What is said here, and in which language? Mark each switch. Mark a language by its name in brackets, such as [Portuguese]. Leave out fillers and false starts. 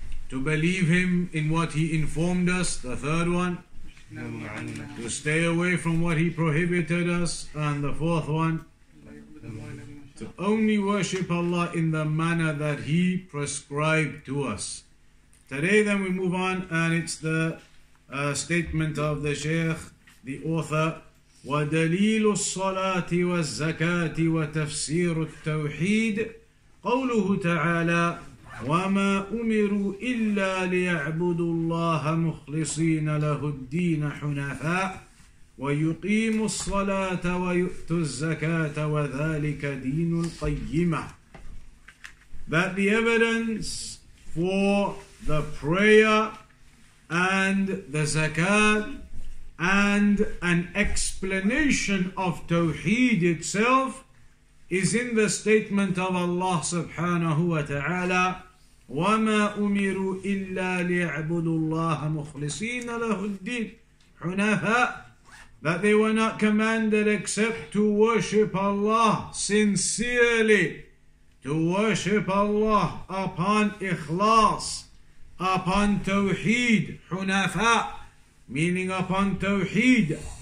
[English] To believe him in what he informed us. The third one? To stay away from what he prohibited us. And the fourth one? To only worship Allah in the manner that he prescribed to us. Today then we move on, and it's the statement of the Shaykh, the author, [Arabic] وَدَلِيلُ الصَّلَاةِ وَالزَّكَاةِ وَتَفْسِيرُ التَّوْحِيدِ قَوْلُهُ تَعَالَى وَمَا أُمِرُوا إِلَّا لِيَعْبُدُوا اللَّهَ مُخْلِصِينَ لَهُ الدِّينَ حُنَفَاءَ وَيُقِيمُوا الصَّلَاةَ وَيُؤْتُوا الزَّكَاةَ وَذَلِكَ دِينُ الْقَيِّمَةِ. [English] That the evidence for the prayer and the zakat and an explanation of Tawheed itself is in the statement of Allah subhanahu wa ta'ala, [Arabic] وَمَا أُمِرُوا إِلَّا لِيَعْبُدُوا اللَّهَ مُخْلِصِينَ لَهُ الدِّينَ حُنَفَاءَ, [English] that they were not commanded except to worship Allah sincerely, to worship Allah upon ikhlas, upon Tawheed, Hunafa, meaning upon Tawheed.